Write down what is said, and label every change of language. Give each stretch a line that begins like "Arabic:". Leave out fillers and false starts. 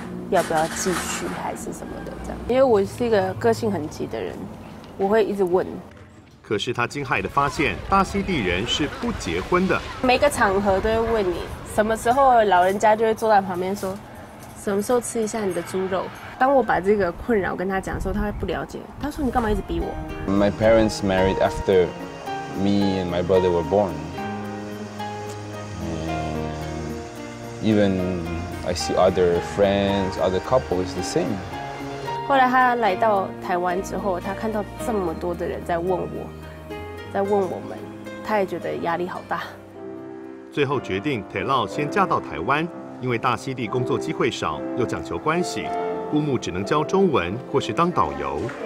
Chinese: 要不要继续还是什么的这样，因为我是一个个性很急的人，我会一直问。可是他惊骇地发现大溪地人是不结婚的，每个场合都会问你什么时候，老人家就会坐在旁边说什么时候吃一下你的猪肉？当我把这个困扰跟他讲的时候，他会不了解。他说：“你干嘛一直逼我
English: ？”My parents married after me and my brother were born. And even I see other friends, other couples, the same.
Chinese: 后来他来到台湾之后，他看到这么多的人在问我，在问我们，他也觉得压力好大。最后决定铁烙先嫁到台湾，因为大溪地工作机会少，又讲求关系，姑母只能教中文或是当导游。